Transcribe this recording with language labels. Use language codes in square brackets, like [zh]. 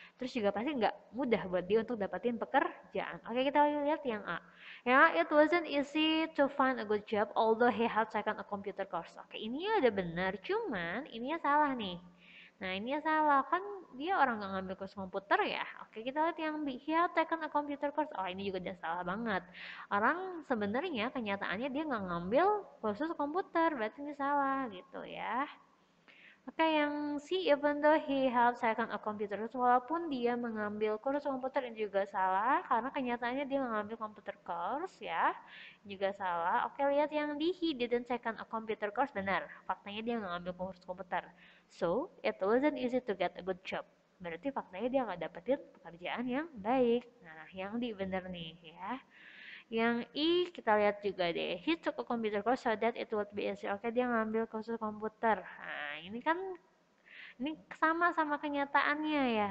[id] Terus juga pasti nggak mudah buat dia untuk dapetin pekerjaan. Oke, kita lihat yang A. [en] Ya, it wasn't easy to find a good job although he had taken a computer course. [id] Oke, ini ada benar, cuman ini salah nih. Nah, ini salah kan dia orang nggak ngambil kursus komputer ya. Oke, kita lihat yang B. [en] He had taken a computer course. [id] Oh, ini juga udah salah banget. Orang sebenarnya kenyataannya dia nggak ngambil kursus komputer. Berarti ini salah gitu ya. Oke, yang C. [en] Even though he had taken a computer course. [id] Walaupun dia mengambil kursus komputer ini juga salah. Karena kenyataannya dia mengambil komputer course ya. Juga salah. Oke, lihat yang D. [en] He didn't taken a computer course. [id] Benar. Faktanya dia nggak ngambil kursus komputer. [en] So, it wasn't easy to get a good job. [id] Berarti faktanya dia nggak dapetin pekerjaan yang baik. Nah, yang di bener nih ya. Yang I kita lihat juga deh. [en] He took a computer course so that it would be easy. [id] Oke, dia ngambil kursus komputer. Nah, ini kan ini sama-sama kenyataannya ya.